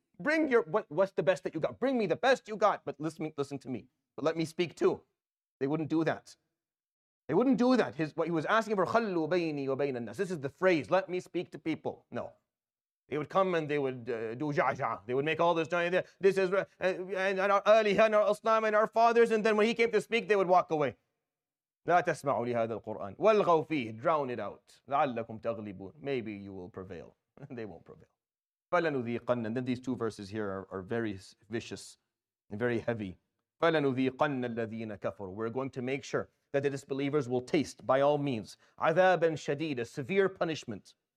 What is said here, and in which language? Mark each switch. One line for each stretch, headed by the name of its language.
English: Bring your, what's the best that you got? Bring me the best you got, but listen to me. But let me speak too. They wouldn't do that. They wouldn't do that. What he was asking for,
Arabic: خَلُّ بَيْنِي وَبَيْنَ النَّاسِ.
English: This is the phrase, let me speak to people. No. They would come and they would do ja'ja. They would make all this noise. This is, and our Aliha and our Islam and our fathers. And then when he came to speak, they would walk away.
Arabic: لَا تَسْمَعُوا لِهَذَا الْقُرْآنِ وَالْغَوْ فِيهِ
English: Drown it out.
Arabic: لَعَلَّكُمْ تَغْلِبُونَ
English: Maybe you will prevail. They won't prevail. فَلَنُذِيقَنَّ And then these two verses here are very vicious and very heavy.
Arabic: فَلَنُذِيقَنَّ الَّذِينَ كَفَرُوا
English: We're going to make sure that the disbelievers will taste, by all means,
Arabic: عَذَابًا شَدِيدًا
English: A severe punishment.